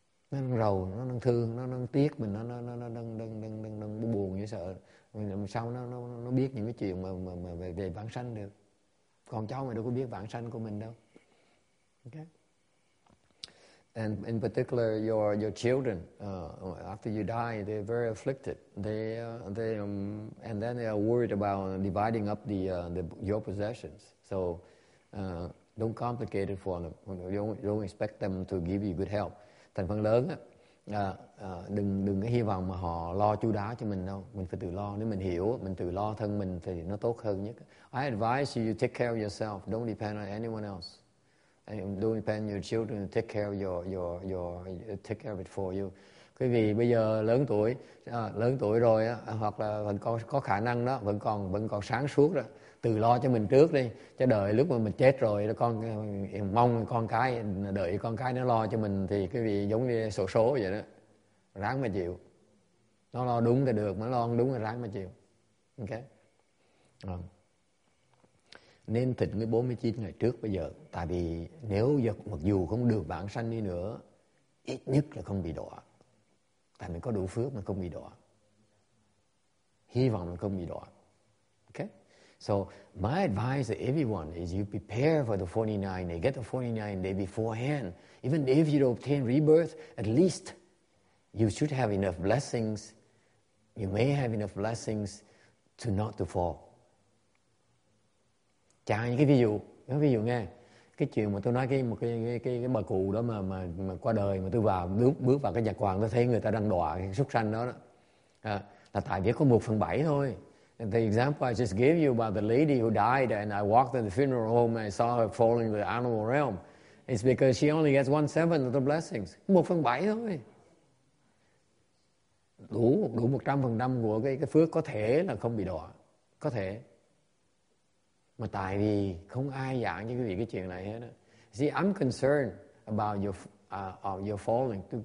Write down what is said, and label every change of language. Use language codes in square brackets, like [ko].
[vi] Nó đang rầu, nó đang thương, nó đang tiếc mình, nó đang buồn như sợ làm sao nó biết những cái chuyện mà về vãng sanh được. Còn cháu mày đâu có biết vãng sanh của mình đâu. [en] Okay. And in particular your children, after you die they're very afflicted, they and then they are worried about dividing up the your possessions, so don't complicate it for them, don't expect them to give you good help. [vi] Thành phần lớn á, đừng có hy vọng mà họ lo chu đáo cho mình đâu, mình phải tự lo. Nếu mình hiểu, mình tự lo thân mình thì nó tốt hơn nhất. [en] I advise you take care of yourself, don't depend on anyone else. Don't depend on your children, take care of your take care of it for you. [vi] Quý vị bây giờ lớn tuổi rồi á, hoặc là vẫn còn có khả năng đó, vẫn còn sáng suốt đó, tự lo cho mình trước đi, chờ đợi lúc mà mình chết rồi con mong con cái, đợi con cái nó lo cho mình thì quý vị giống như xổ số vậy đó, ráng mà chịu. Nó lo đúng thì được, mà lo không đúng thì ráng mà chịu. [en] Okay. [vi] Nên thỉnh cái 49 ngày trước bây giờ, tại vì nếu mặc dù không được vãng sanh đi nữa, ít nhất là không bị đọa. Tại mình có đủ phước mà không bị đọa. Hy vọng mình không bị đọa. [en] Okay? So my advice to everyone is you prepare for the 49 day, get the 49 day beforehand. Even if you don't obtain rebirth, at least you should have enough blessings. You may have enough blessings to not to fall. [vi] Chẳng những cái ví dụ nghe cái chuyện mà tôi nói cái bà cụ đó mà qua đời, mà tôi vào bước vào cái nhà quan, tôi thấy người ta đang đọa cái súc sanh đó, là tại vì có 1/7 thôi. [en] And the example I just gave you about the lady who died and I walked to the funeral home and I saw her falling to the animal realm, it's because she only gets 1/7 of the blessings. [vi] 1/7 thôi, đủ 100% của cái phước có thể là không bị đọa, có thể. Mà tại vì không ai giảng cho quý vị cái chuyện này hết á. [en] See, I'm concerned about your falling.